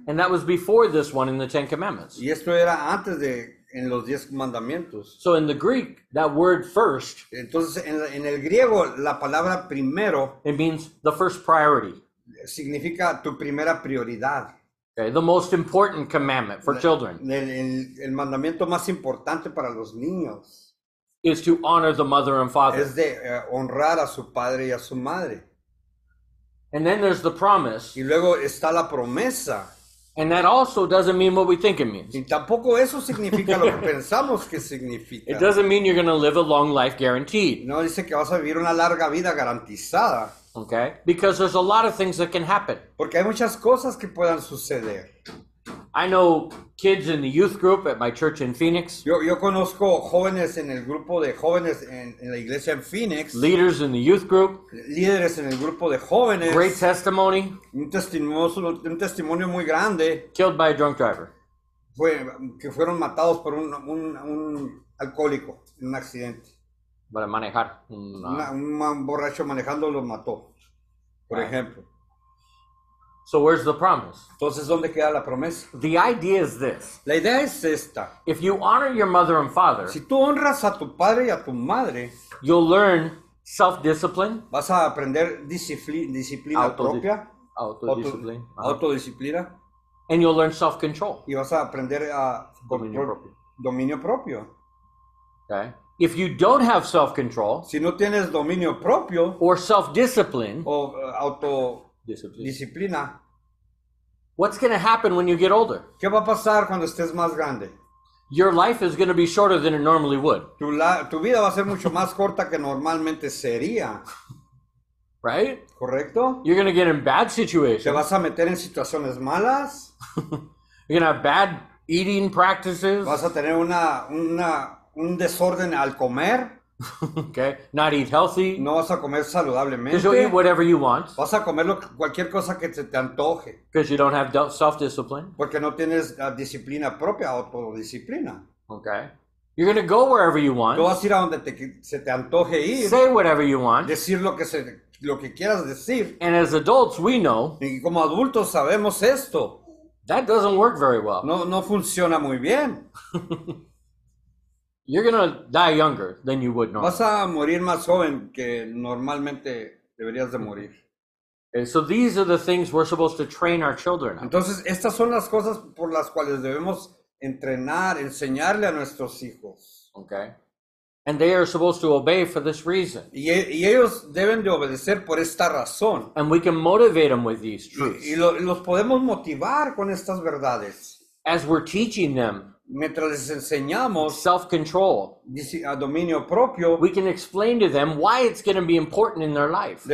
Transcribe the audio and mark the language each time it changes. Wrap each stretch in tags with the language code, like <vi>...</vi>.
<en>And that was before this one in the Ten Commandments.</en> <es>Y esto era antes de en los diez mandamientos.</es> <en>So in the Greek, that word first.</en> <es>Entonces en el griego la palabra primero.</es> <en>It means the first priority.</en> <es>Significa tu primera prioridad.</es> <en>Okay, the most important commandment for children.</en> <es>El mandamiento más importante para los niños.</es> <en>Is to honor the mother and father.</en> <es>Es de honrar a su padre y a su madre.</es> <en>And then there's the promise.</en> <es>Y luego está la promesa.</es> <en>And that also doesn't mean what we think it means.</en> <es>Y tampoco eso significa lo que pensamos que significa.</es> <en>It doesn't mean you're going to live a long life guaranteed.</en> <es>No dice que vas a vivir una larga vida garantizada.</es> <en>Okay, because there's a lot of things that can happen.</en> <es>Porque hay muchas cosas que puedan suceder.</es> <en>I know kids in the youth group at my church in Phoenix.</en> <es>Yo conozco jóvenes en el grupo de jóvenes en la iglesia en Phoenix.</es> <en>Leaders in the youth group.</en> <es>Líderes en el grupo de jóvenes.</es> <en>Great testimony.</en> <es>Un testimonio muy grande.</es> <en>Killed by a drunk driver.</en> <es>Que fueron matados por un alcohólico en un accidente. Para manejar. Un borracho manejando los mató, por ejemplo.</es> <en>So where's the promise?</en> <es>Entonces, ¿dónde queda la promesa?</es> <en>The idea is this.</en> <es>La idea es esta.</es> <en>If you honor your mother and father,</en> <es>si tú honras a tu padre y a tu madre,</es> <en>you'll learn self-discipline.</en> <es>Vas a aprender disciplina propia.</es> <en>Autodisciplina. And you'll learn self-control.</en> <es>Y vas a aprender a dominio propio.</es> <en>Okay. If you don't have self-control,</en> <es>si no tienes dominio propio,</es> <en>or self-discipline,</en> <es>o autodisciplina,</es> <en>what's going to happen when you get older?</en> <es>¿Qué va a pasar cuando estés más grande?</es> <en>Your life is going to be shorter than it normally would.</en> <es>Tu vida va a ser mucho más corta que normalmente sería.</es> <en>Right?</en> <es>Correcto.</es> <en>You're going to get in bad situations.</en> <es>Te vas a meter en situaciones malas.</es> <en>You're going to have bad eating practices.</en> <es>Vas a tener un desorden al comer.</es> <en>Okay. Not eat healthy.</en> <es>No vas a comer saludablemente.</es> <en>Because you'll eat whatever you want.</en> <es>Vas a comer cualquier cosa que se te antoje.</es> <en>Because you don't have self-discipline.</en> <es>Porque no tienes disciplina propia, autodisciplina.</es> <en>Okay. You're going to go wherever you want.</en> <es>No vas a ir a donde se te antoje ir.</es> <en>Say whatever you want.</en> <es>Decir lo que quieras decir.</es> <en>And as adults, we know.</en> <es>Y como adultos sabemos esto.</es> <en>That doesn't work very well.</en> <es>No funciona muy bien.</es> <en>You're going to die younger than you would normally.</en> <es>Vas a morir más joven que normalmente deberías de morir.</es> <en>And so these are the things we're supposed to train our children.</en> <es>Entonces, estas son las cosas por las cuales debemos entrenar, enseñarle a nuestros hijos.</es> <en>Okay. And they are supposed to obey for this reason.</en> <es>Y ellos deben de obedecer por esta razón.</es> <en>And we can motivate them with these truths.</en> <es>Y los podemos motivar con estas verdades.</es> <en>As we're teaching them,</en> <es>mientras les enseñamos</es> <en>self-control,</en> <es>a dominio propio,</es> <en>we can explain to them why it's going to be important in their life.</en>